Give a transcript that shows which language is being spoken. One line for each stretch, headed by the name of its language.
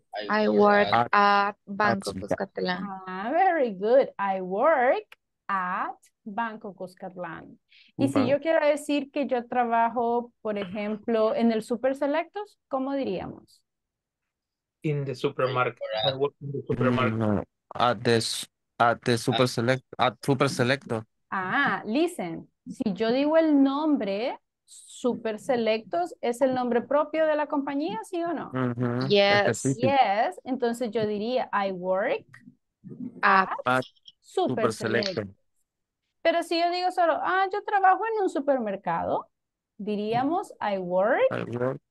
English: I work at Banco Cuscatlán. Ah, very good. I work at Banco Cuscatlán.
Spanish: Y si yo quiero decir que yo trabajo, por ejemplo, en el Super Selectos, ¿cómo diríamos?
English: In the supermarket. I work in the supermarket. At the super selecto. Ah, listen.
Spanish: Si yo digo el nombre, Super Selectos, ¿es el nombre propio de la compañía, sí o no? Mm-hmm.
English: Yes. Yes.
Spanish: Entonces yo diría,
English: I work at
Spanish: Super Selecto. Pero si yo digo solo, ah, yo trabajo en un supermercado, diríamos,
English: I work